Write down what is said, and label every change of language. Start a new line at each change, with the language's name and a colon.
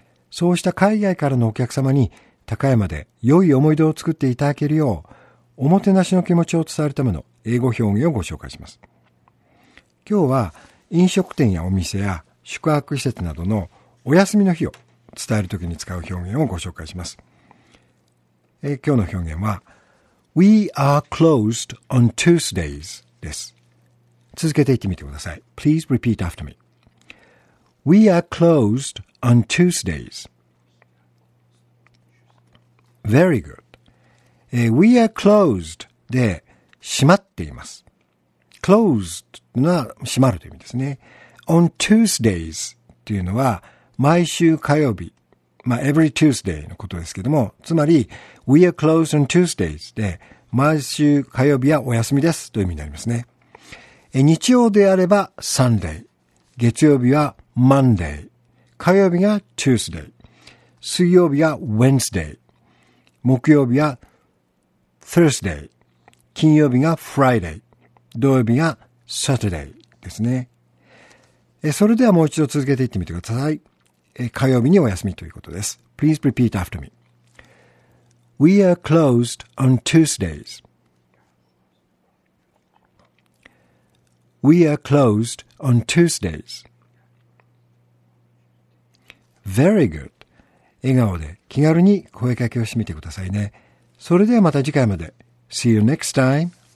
Japanese: そうした海外からのお客様に高山で良い思い出を作っていただけるよう、おもてなしの気持ちを伝えるための英語表現をご紹介します。今日は飲食店やお店や宿泊施設などのお休みの日を伝えるときに使う表現をご紹介します。今日の表現は
English: We are closed on Tuesdays
Japanese: です。続けて言ってみてください。
English: Please repeat after me. We are closed on Tuesdays. Very good. We are closed
Japanese: で閉まっています。 Closed は閉まるという意味ですね。
English: On Tuesdays
Japanese: というのは毎週火曜日。まあ、
English: every Tuesday
Japanese: のことですけども、つまり、
English: we are closed on Tuesdays
Japanese: で、毎週火曜日はお休みですという意味になりますね。日曜であれば Sunday、月曜日は Monday、火曜日が Tuesday、水曜日は Wednesday、木曜日は Thursday、金曜日が Friday、土曜日が Saturday ですね。それではもう一度続けていってみてください。火曜日にお休みということです。
English: Please repeat after me. We are closed on Tuesdays. We are closed on Tuesdays. Very good.
Japanese: 笑顔で気軽に声かけをしてみてくださいね。それではまた次回まで。
English: See you next time.